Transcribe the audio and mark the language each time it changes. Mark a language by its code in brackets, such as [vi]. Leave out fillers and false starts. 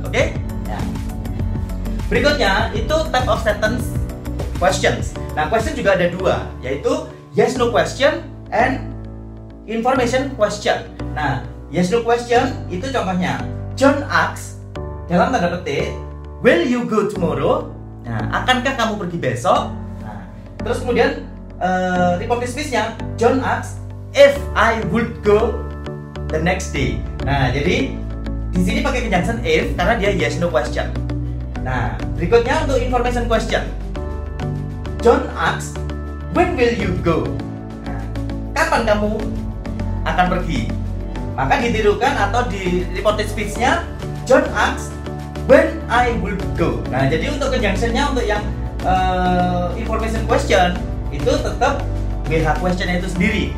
[en] Oke? Okay? [id] Ya. Berikutnya itu [en] type of sentence questions. Nah, question [id] juga ada dua, yaitu [en] yes no question and information question. Nah, yes no question [id] itu contohnya [en] John asks [id] dalam tanda petik, [en] will you go tomorrow? [id] Nah, akankah kamu pergi besok? Nah, terus kemudian [en] report dismissnya, John asks if I would go the next day. [id] Nah, jadi di sini pakai conjunction if karena dia [en] yes no question. [id] Nah, berikutnya untuk [en] information question, John asks when will you go? [id] Nah, kapan kamu akan pergi? Maka ditirukan atau di [en] report dismissnya, John asks when I would go. [id] Nah, jadi untuk conjunction-nya untuk yang information question itu tetap WH question-nya itu sendiri.